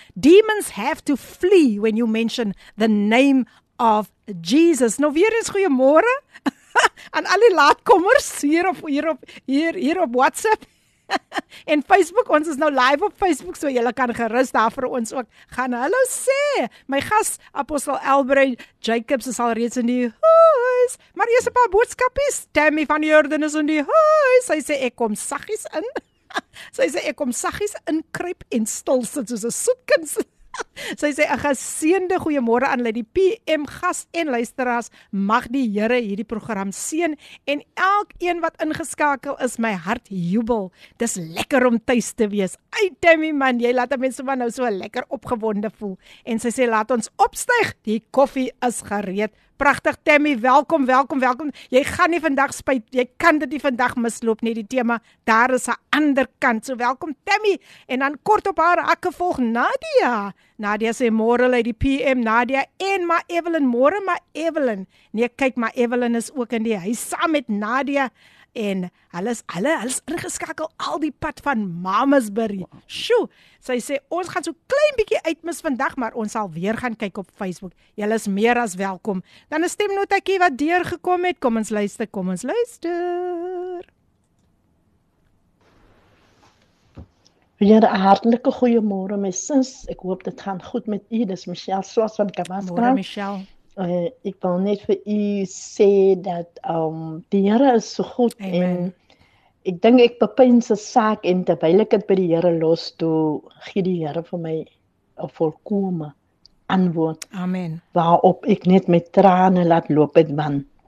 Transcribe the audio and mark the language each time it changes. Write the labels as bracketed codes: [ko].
[en] Demons have to flee when you mention the name of Jesus. [af] Nou weer eens goeiemôre aan al die laatkommers hier op WhatsApp. En Facebook, ons is nou live op Facebook, so julle kan gerus daar vir ons ook gaan hallo sê. My gas, apostel Albert Jacobs, is al reeds in die huis. Maar eers 'n paar boodskapies. Tammy van Jordan is in die huis. Sy sê ek kom saggies in. Sy sê ek kom saggies inkruip en stil sit soos 'n soetkind. Sy sê 'n geseënde goeiemôre aan lê die PM gas en luisteraars. Mag die Here hierdie program seën en elkeen wat ingeskakel is, my hart jubel. Dis lekker om tuis te wees. Ai Tammy man, jy laat mense van nou so lekker opgewonde voel. En sy sê laat ons opstyg. Die koffie is gereed. Pragtig Tammy, welkom, welkom, welkom. Jy gaan nie vandag spyt. Jy kan dit nie vandag misloop nie, die tema. Daar is 'n ander kant. So welkom Tammy. En dan kort op haar hakke volg Nadia. Nadia sê môre lê die PM Nadia en maar Evelyn, môre maar Evelyn. Nee, kyk maar Evelyn is ook in die huis saam met Nadia en hulle is ingeskakel al die pad van Mamasbury. Sjoe. Sy sê ons gaan so klein bietjie uitmis vandag, maar ons sal weer gaan kyk op Facebook. Julle is meer as welkom. Dan 'n stemnotetjie wat deurgekom het. Kom ons luister. Jare, hartelike goeiemôre my sins. Ek hoop dit gaan goed met u. Dis Michelle Swart van Kamaskra. Môre Michelle. Ek wil net vir u sê dat die Here is so goed. Amen. En ek dink ek bepyn se saak en terwyl ek dit by die Here los, toe gee die Here vir my 'n volkome antwoord. Amen. Waarop ek net met trane laat loop het, man.